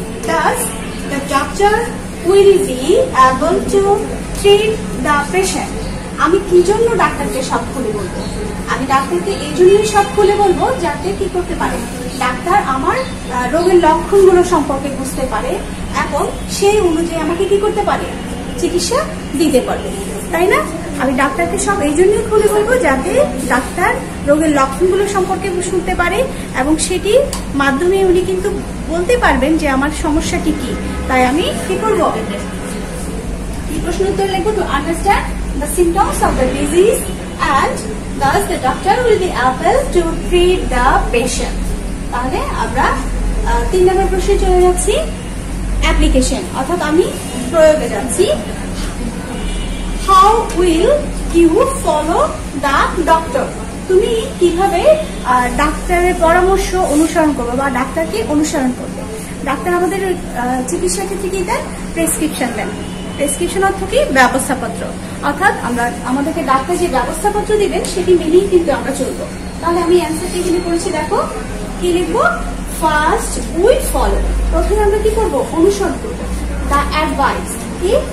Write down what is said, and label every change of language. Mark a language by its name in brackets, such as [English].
[English] thus the doctor will be able to treat the patient, [Bangla] আমি কি জন্য ডাক্তারকে সব খুলে বলবো, আমি ডাক্তারকে এই জন্যই সব খুলে বলবো যাতে কি করতে পারে ডাক্তার আমার রোগের লক্ষণগুলো সম্পর্কে বুঝতে পারে এবং সেই অনুযায়ী আমাকে কি করতে পারে চিকিৎসা দিতে পারবে, তাই না? আমি ডাক্তারকে সব এই জন্যই খুলে বলবো যাতে ডাক্তার রোগের লক্ষণগুলো সম্পর্কে শুনতে পারে এবং সেটি মাধ্যমে উনি কিন্তু বলতে পারবেন যে আমার সমস্যাটি কি, তাই আমি কি করবো। প্রশ্ন উত্তর লিখবো [English] To understand the symptoms of the disease, and thus the doctor will be able to treat the patient. [Bangla] তাহলে আমরা তিন নম্বর প্রশ্নে চলে যাচ্ছি অ্যাপ্লিকেশন অর্থাৎ আমি প্রয়োগে যাচ্ছি [English] how will you follow the doctor [Bangla] তুমি কিভাবে ডাক্তারের পরামর্শ অনুসরণ করবে বা ডাক্তারকে অনুসরণ করবে ডাক্তার আমাদের চিকিৎসা ক্ষেত্রে কি দেন প্রেসক্রিপশন দেন প্রেসক্রিপশন অর্থ কি ব্যবস্থাপত্র অর্থাৎ আমরা আমাদেরকে ডাক্তার যে ব্যবস্থাপত্র দিবেন সেটি মেনেই কিন্তু আমরা চলবো তাহলে আমি অ্যান্সারটি এখানে করেছি দেখো কি লিখবো [English] first we follow [Bangla] প্রথমে আমরা কি করবো অনুসরণ করবো [English] the advice [Bangla] কি